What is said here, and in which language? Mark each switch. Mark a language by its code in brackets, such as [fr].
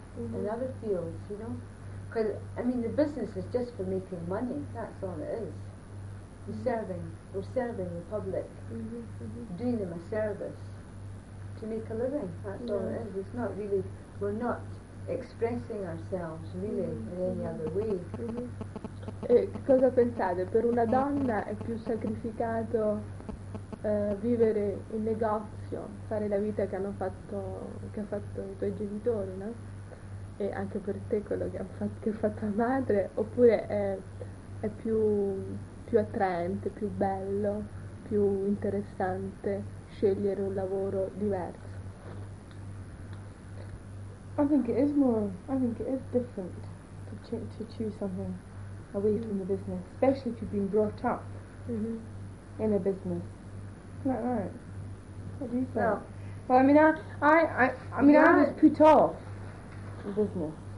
[en] In other fields, you know, because I mean, the business is just for making money. That's all it is. We're serving the public, doing them a service to make a living. That's all it is. It's not really. We're not expressing ourselves really in any other way. [it] Cosa pensate? Per una donna è più sacrificato vivere in negozio, fare la vita che ha fatto i tuoi genitori, no? E anche per te quello che ha fatto la madre, oppure è più attraente, più bello, più interessante scegliere un lavoro diverso? [en] I think it is different to choose something away from the business, especially if you've been brought up in a business. Isn't that right? What do you think? No. Well, I mean, I was put off business.